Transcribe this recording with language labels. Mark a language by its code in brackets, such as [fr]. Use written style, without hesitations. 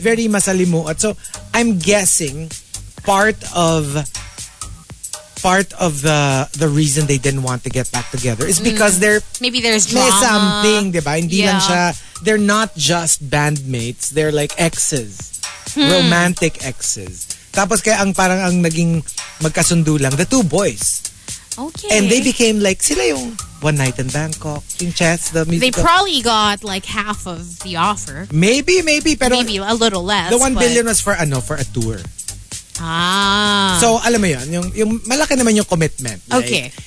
[en] Very masalimuot. So, I'm guessing, part of the reason they didn't want to get back together is because there's something, [tl] diba? Hindi lang siya, [en] they're not just bandmates, they're like exes. Hmm. Romantic exes. [tl] Tapos kaya ang parang ang naging magkasundo lang, [en] the two boys. Okay. And they became like, [tl] sila yung [en] One Night in Bangkok, King Chess, the musical. They probably got like half of the offer. Maybe. Pero maybe a little less. The $1 billion was for ano, for a tour. Ah. [tl] So, alam mo yun, yung malaki naman yung commitment. [en] Okay.